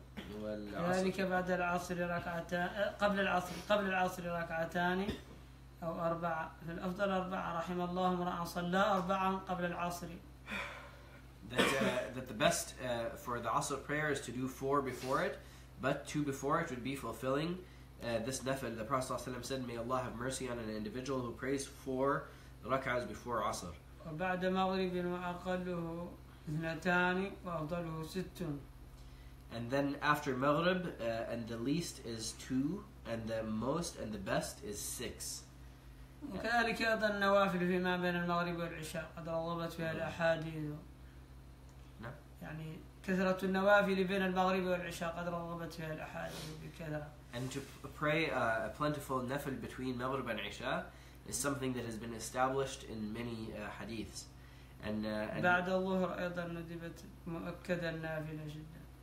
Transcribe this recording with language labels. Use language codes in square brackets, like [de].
[ar] ذلك بعد العصر ركعتان قبل العصر قبل العصر ركعتان أو أربعة في الأفضل أربعة رحم الله امرأ صلى أربعة قبل العصر. [en] That the best for the Asr prayer is to do four before it, but two before it would be fulfilling. This nafil, the Prophet ﷺ said, may Allah have mercy on an individual who prays four rak'ahs before Asr. [ar] وبعد مغرب وأقله اثنتاني وأفضله ست. [en] And then after Maghrib, and the least is two, and the most and the best is six. [ar] وكذلك أيضا النوافل فيما بين المغرب والعشاء قد رغبت فيها الأحاديث. يعني كثرة النوافل بين المغرب والعشاء قد رغبت فيها الأحاديث بكثرة. [en] And to pray a plentiful nafil between Maghrib and Isha is something that has been established in many hadiths. And [ar] بعد الظهر أيضا ندبت مؤكدا نافلة جدا.